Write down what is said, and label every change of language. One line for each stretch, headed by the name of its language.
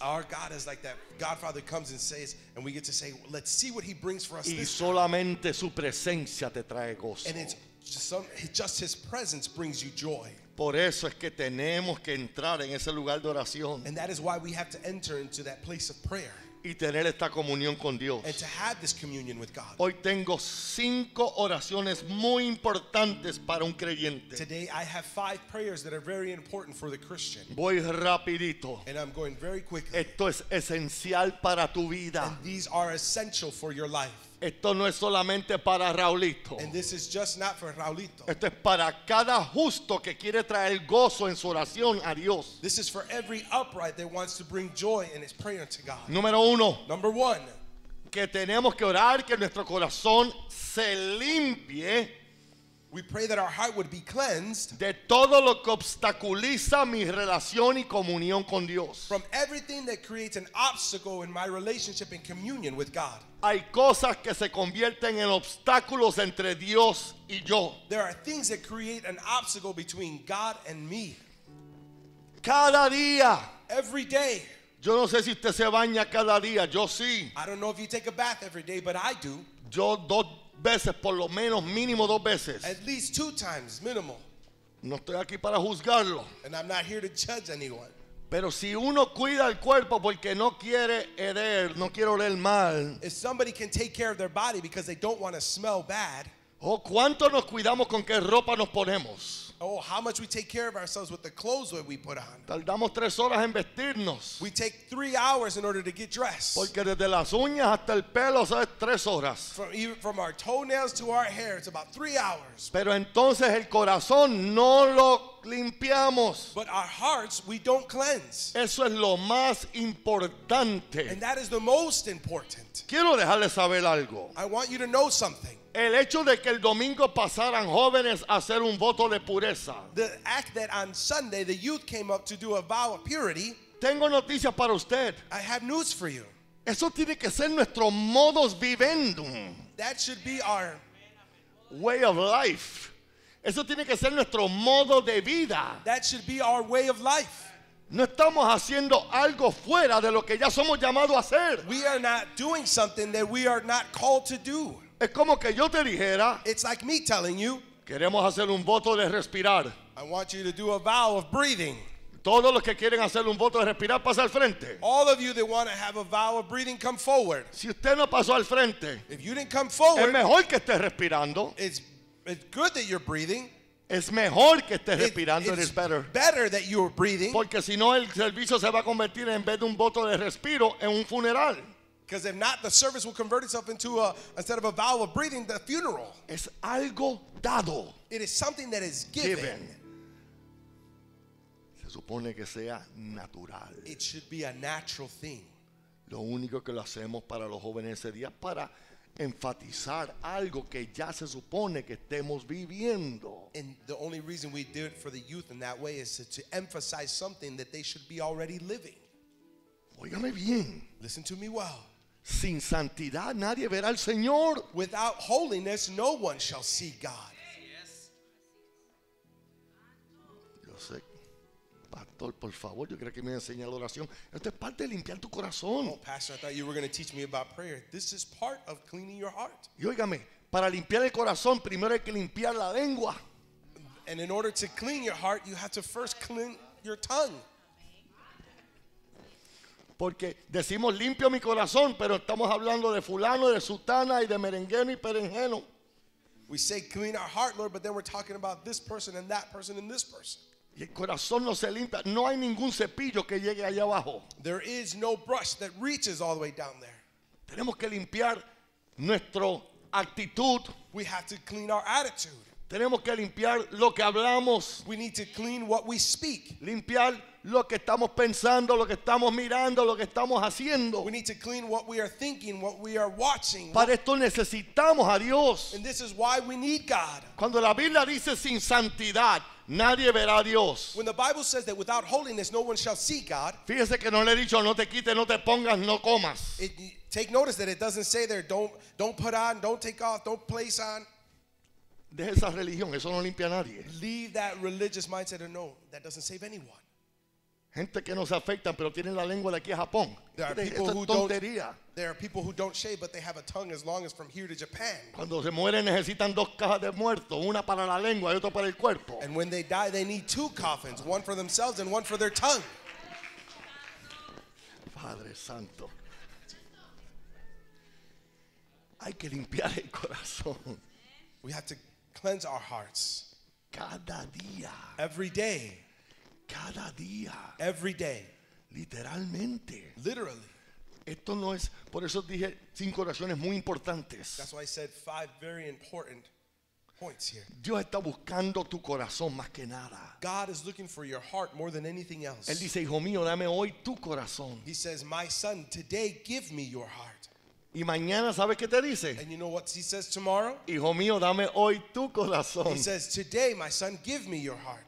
English: Our God is like that Godfather comes and says, and we get to say, well, let's see what he brings for us.
Spanish: Y solamente su presencia te trae gozo.
English: And it's just his presence brings you joy.
Spanish: Por eso es que tenemos que entrar en ese lugar de oración.
English: And that is why we have to enter into that place of prayer.
Spanish: Y tener esta comunión con Dios.
English: And to have this communion with God.
Spanish: Hoy tengo 5 oraciones muy importantes para un creyente.
English: Today I have 5 prayers that are very important for the Christian.
Spanish: Voy rapidito.
English: And I'm going very quickly.
Spanish: Esto es esencial para tu vida.
English: And these are essential for your life.
Spanish: Esto no es solamente para Raulito.
English: And this is just not for Raulito.
Spanish: Esto es para cada justo que quiere traer gozo en su oración a Dios.
English: This is for every upright that wants to bring joy in his prayer to God.
Spanish: Número uno.
English: Number one.
Spanish: Que tenemos que orar que nuestro corazón se limpie.
English: We pray that our heart would be cleansed.
Spanish: De todo lo que obstaculiza mi relación y comunión con Dios.
English: From everything that creates an obstacle in my relationship and communion with God.
Spanish: Hay cosas que se convierten en obstáculos entre Dios y yo.
English: There are things that create an obstacle between God and me.
Spanish: Cada día.
English: Every day.
Spanish: Yo no sé si usted se baña cada día. Yo sí.
English: I don't know if you take a bath every day, but I do.
Spanish: Yo dos veces, por lo menos mínimo dos veces.
English: At least 2 times, minimal.
Spanish: No estoy aquí para juzgarlo.
English: And I'm not here to judge anyone.
Spanish: Pero si uno cuida el cuerpo porque no quiere heder, no quiere oler mal.
English: If somebody can take care of their body because they don't want to smell bad.
Spanish: Oh, ¿cuánto nos cuidamos con qué ropa nos ponemos?
English: Oh, how much we take care of ourselves with the clothes that we put on.
Spanish: Tardamos 3 horas en vestirnos.
English: We take 3 hours in order to get dressed.
Spanish: Porque desde las uñas hasta el pelo son 3 horas.
English: From our toenails to our hair, it's about 3 hours.
Spanish: Pero entonces el corazón no lo limpiamos.
English: But our hearts, we don't cleanse.
Spanish: Eso es lo más importante.
English: And that is the most important.
Spanish: Quiero dejarles saber algo.
English: I want you to know something.
Spanish: El hecho de que el domingo pasaran jóvenes a hacer un voto de pureza.
English: The act that on Sunday the youth came up to do a vow of purity.
Spanish: Tengo noticias para usted.
English: I have news for you.
Spanish: Eso tiene que ser nuestro modus vivendi.
English: That should be our way of life.
Spanish: Eso tiene que ser nuestro modo de vida.
English: That should be our way of life.
Spanish: No estamos haciendo algo fuera de lo que ya somos llamados a hacer.
English: We are not doing something that we are not called to do.
Spanish: Es como que yo te dijera,
English: it's like me telling you,
Spanish: queremos hacer un voto de respirar.
English: I want you to do a vow of breathing.
Spanish: Todos los que quieren hacer un voto de respirar, pasa al frente.
English: All of you that want to have a vow of breathing, come forward.
Spanish: Si usted no pasó al frente,
English: if you didn't come forward,
Spanish: es mejor que esté respirando.
English: It's good that you're breathing.
Spanish: Es mejor que esté respirando.
English: It's better. Better that you're breathing.
Spanish: Porque si no, el servicio se va a convertir en vez de un voto de respiro en un funeral.
English: Because if not, the service will convert itself into a, instead of a vow of breathing, the funeral.
Spanish: Es algo dado.
English: It is something that is given.
Spanish: Se supone que sea natural.
English: It should be a natural thing.
Spanish: Lo único que lo hacemos para los jóvenes ese día para enfatizar algo que ya se supone que estemos viviendo.
English: And the only reason we do it for the youth in that way is to emphasize something that they should be already living.
Spanish: Óigame bien.
English: Listen to me well.
Spanish: Sin santidad nadie verá al Señor.
English: Without holiness no one shall see God. Yes.
Spanish: Yo sé. Pastor, por favor, yo creo que me enseña la oración. Esto es parte de limpiar tu corazón.
English: Oh, pastor, I thought you were going to teach me about prayer. This is part of cleaning your heart.
Spanish: Y óigame, para limpiar el corazón primero hay que limpiar la lengua.
English: And in order to clean your heart, you have to first clean your tongue.
Spanish: Porque decimos limpio mi corazón, pero estamos hablando de fulano, de sutana y de merengueno y perengeno.
English: We say clean our heart, Lord, but then we're talking about this person and that person and this person.
Spanish: Y el corazón no se limpia, no hay ningún cepillo que llegue allá abajo.
English: There is no brush that reaches all the way down there.
Spanish: Tenemos que limpiar nuestra actitud.
English: We have to clean our attitude.
Spanish: Tenemos que limpiar lo que hablamos.
English: We need to clean what we speak.
Spanish: Limpiar lo que estamos pensando, lo que estamos mirando, lo que estamos haciendo.
English: We need to clean what we are thinking, what we are watching.
Spanish: Para esto necesitamos a Dios.
English: And this is why we need God.
Spanish: Cuando la Biblia dice sin santidad, nadie verá a Dios.
English: When the Bible says that without holiness no one shall see God.
Spanish: Fíjese que no le he dicho no te quites, no te pongas, no comas.
English: Take notice that it doesn't say there don't put on, don't take off, don't place on.
Spanish: Deja esa religión, eso no limpia a nadie.
English: Leave that religious mindset and no, that doesn't save anyone.
Spanish: Gente que no se afectan, pero tienen la lengua de aquí a Japón.
English: There are people who don't shave, but they have a tongue as long as from here to Japan.
Spanish: Cuando se mueren necesitan dos cajas de muerto, una para la lengua y otra para el cuerpo.
English: And when they die, they need two coffins, one for themselves and one for their tongue.
Spanish: Padre Santo. Hay que limpiar el corazón.
English: We have to cleanse our hearts.
Spanish: Cada día.
English: Every day.
Spanish: Cada día.
English: Every day.
Spanish: Literalmente.
English: Literally.
Spanish: Esto no es, por eso dije cinco oraciones muy importantes.
English: That's why I said five very important points here.
Spanish: Dios está buscando tu corazón más que nada.
English: God is looking for your heart more than anything else.
Spanish: Él dice, hijo mío, dame hoy tu corazón.
English: He says, my son, today give me your heart.
Spanish: Y mañana, ¿sabes qué te dice?
English: And you know what he says tomorrow?
Spanish: Hijo mío, dame hoy tu corazón.
English: He says, today, my son, give me your heart.